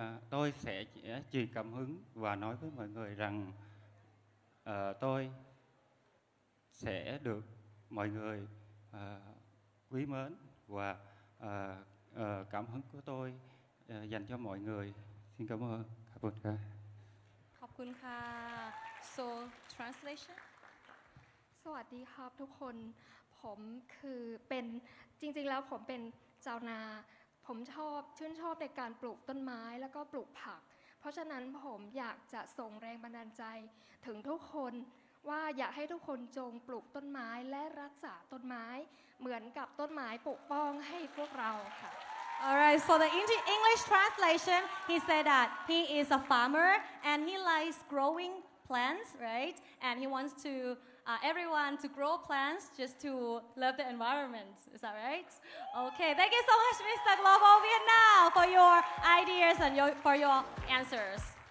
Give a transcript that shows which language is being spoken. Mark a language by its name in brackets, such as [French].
[Vietnamese] Tôi sẽ truyền cảm hứng và nói với mọi người rằng tôi sẽ được mọi người quý mến và cảm hứng của tôi dành cho mọi người. Xin cảm ơn. Cảm ơn. Cảm ơn. [English] So, translation. [Vietnamese] Xin chào tất cả mọi người. Tôi là... Thật ra, tôi là chào nà. [Thai] ผมชอบชื่นชอบในการปลูกต้นไม้แล้วก็ปลูกผักเพราะฉะนั้นผมอยากจะส่งแรงบันดาลใจถึงทุกคนว่าอยากให้ทุกคนจงปลูกต้นไม้และรักษาต้นไม้เหมือนกับต้นไม้ปกป้องให้พวกเราค่ะ [English] Alright, so the English translation, he said that he is a farmer and he likes growing plants, right? And he wants to everyone to grow plants just to love the environment. Is that right? Okay, thank you so much, Mr. Global Vietnam, for your ideas and for your answers.